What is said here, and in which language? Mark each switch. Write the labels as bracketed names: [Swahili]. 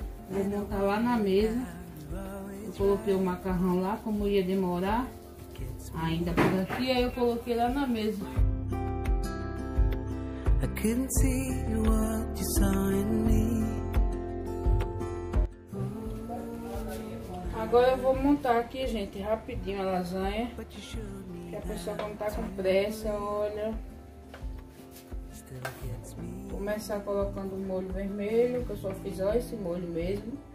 [Portuguese] Daniel tá lá na mesa. Coloquei o macarrão lá, como ia demorar ainda por aqui, aí eu coloquei lá na mesa. [English] I couldn't see what you saw in me. [Portuguese] Agora eu vou montar aqui, gente, rapidinho a lasanha. Que a pessoa quando tá com pressa, olha. Começar colocando o molho vermelho, que eu só fiz ó, esse molho mesmo.